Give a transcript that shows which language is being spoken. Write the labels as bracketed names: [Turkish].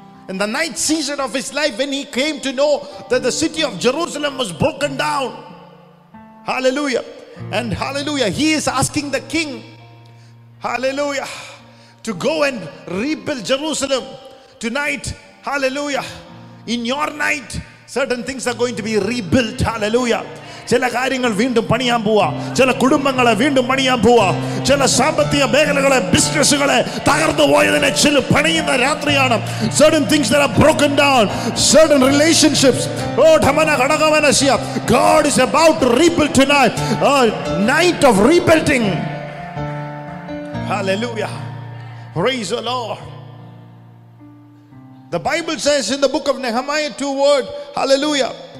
[English] In the night season of his life, when he came to know that the city of Jerusalem was broken down. Hallelujah. And hallelujah, he is asking the king, hallelujah, to go and rebuild Jerusalem tonight. Hallelujah. In your night, certain things are going to be rebuilt. Hallelujah. [Malayalam] ചില കാര്യങ്ങൾ വീണ്ടും പണിയാൻ പോവാ, ചില കുടുംബങ്ങളെ വീണ്ടും പണിയാൻ പോവാ, ചില സാമ്പത്തിക മേഖലകളെ, ബിസിനസ്സുകളെ തകർന്നു പോയതിനെ ചില പണിയുന്ന രാത്രിയാണ്. [English] Certain things that are broken down, certain relationships. Oh, Dhamana Kadagamanasya, God is about to rebuild tonight. A night of rebuilding. Hallelujah. Praise the Lord. The Bible says in the book of Nehemiah 2 word, hallelujah.